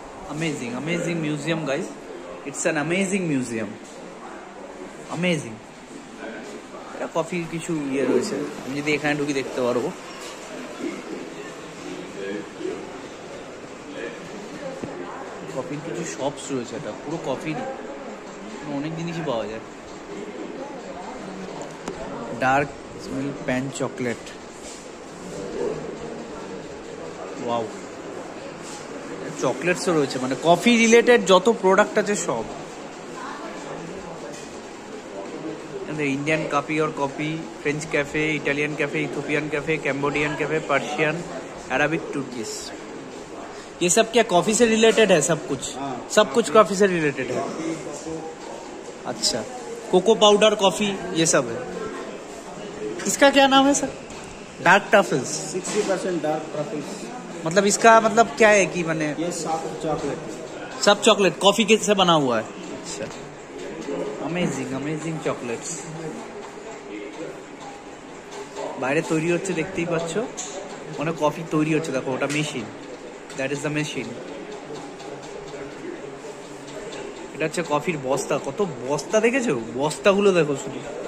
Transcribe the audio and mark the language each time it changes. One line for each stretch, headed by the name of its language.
English: Amazing, amazing museum, guys. It's an amazing museum. Amazing.
Bangla: এটা কফির কিছু ইয়ে রয়েছে, আমি যদি এখানে ঢুকি দেখতে পারবো। কফির কিছু শপস রয়েছে, এটা পুরো কফির অনেক জিনিসই পাওয়া যায়। Dark milk pan chocolate, wow, চকলেটসও রয়েছে, মানে কফি রিলেটেড যত প্রোডাক্ট আছে সব।
English: Indian kaapi or coffee, French cafe, Italian cafe, Ethiopian cafe, Cambodian cafe, Persian, Arabic, Turkish,
Hindi: ये सब क्या कॉफी से रिलेटेड है? सब कुछ, सब कुछ कॉफी से रिलेटेड है। अच्छा, कोको पाउडर कॉफी ये सब है। इसका क्या नाम है sir? Dark truffles, 60% dark truffles. मतलब इसका मतलब क्या है कि मैंने ये सब चॉकलेट, सब चॉकलेट कॉफी के से बना हुआ है।
English: अच्छा, amazing amazing chocolates.
Bangla: বাইরে তৈরি হচ্ছে দেখতেই পাচ্ছ, মানে কফি তৈরি হচ্ছে, দেখো ওটা machine,
English: That is the machine.
Bangla: এটা হচ্ছে কফির বস্তা, কত বস্তা দেখেছো, বস্তাগুলো দেখো শুধু।